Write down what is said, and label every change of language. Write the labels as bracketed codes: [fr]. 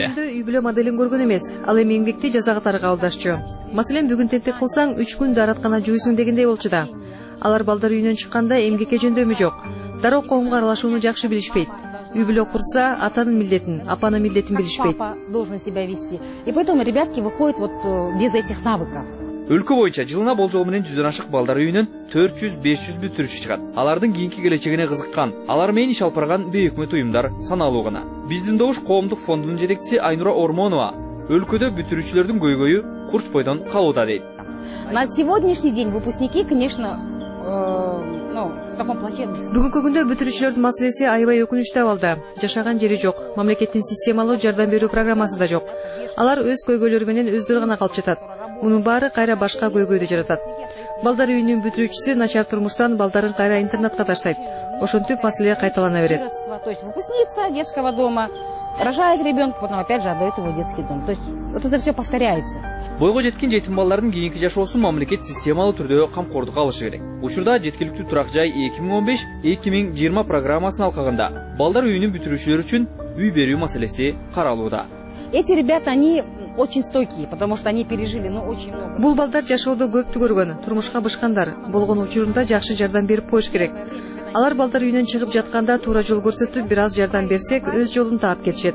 [ky] Алар өзүндө үй бүлө моделин көргөн эмес, ал эми эмгекти жаза катарга алдашчу. Маселен, бүгүн тентек кылсаң, 3 күн дараткана жүйсүң дегендей болчу да. Алар балдар үйүнөн чыкканда эмгекке жөндөмү жок. Дароо коомго аралашууну жакшы билишпейт. Үй бүлө курса, атанын милдетин, апанын милдетин билишпейт. [ru] Папа должен себя вести. И поэтому ребятки выходят вот без этих навыков. [ky] Өлкө боюнча жылына болжол менен 100 ашык балдар үйүнүн 400-500 бүтүрүүчү чыгат. Алардын кийинки келечегине кызыккан, алар менен иш алып барган бейөкмөт уюмдар саналуу гана. Биздин добуш коомдук фондунун жетекчиси Айнура Ормонова өлкөдө бүтүрүүчүлөрдүн көйгөйү курч бойдон калууда дейт. [ru] На сегодняшний день выпускники, конечно, в таком плачевном. [ky] Бүгүнкү күндө бүтүрүүчүлөрдүн маселеси аябай өкүнүчтүү абалда. Жашаган жери жок, мамлекеттин системалуу жардам берүү программасы да жок. Алар өз көйгөйлөрү менен өздөрү гана калып жатат. Мунун баары кайра башка көйгөйдү жаратат. Балдар үйүнүн бүтүрүүчүсү начар турмуштан балдарын кайра интернатка таштайт. Ошентип маселе кайталана берет. [ru] То есть выпускница детского дома рожает ребенка, потом опять же отдает его в детский дом. То есть вот это все повторяется. [ky] Бойго жеткен жетим балдардын кийинки жашоосун мамлекет системалуу түрдө камкордук алышы керек. Учурда жеткиликтүү турак жай 2015-2020 программасынын алкагында балдар үйүнүн бүтүрүүчүлөр үчүн үй берүү маселеси каралууда. [ru] Эти ребята, они очень стойкие, потому что они пережили, очень много. [ky] Бул балдар жашоодо көптү көргөн, турмушка бышкандар. Болгон учурунда жакшы жардам берип коюш керек. Алар балдар үйүнөн чыгып жатканда туура жол көрсөтүп, бир аз жардам берсек, өз жолун таап кетишет.